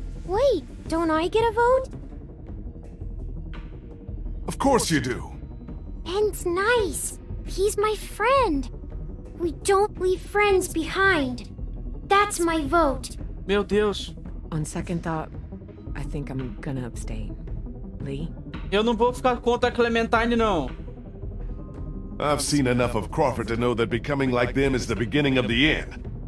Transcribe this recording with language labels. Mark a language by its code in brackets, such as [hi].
[en] Wait, don't I get a vote? Of course you do. Ben's nice. He's my friend. We don't leave friends behind. That's my vote. [pt] Meu Deus. [en] On second thought, I think I'm gonna abstain. Lee? [pt] Eu não vou ficar contra a Clementine, não. [en] I've seen enough of Crawford to know that becoming like them is the beginning of the end.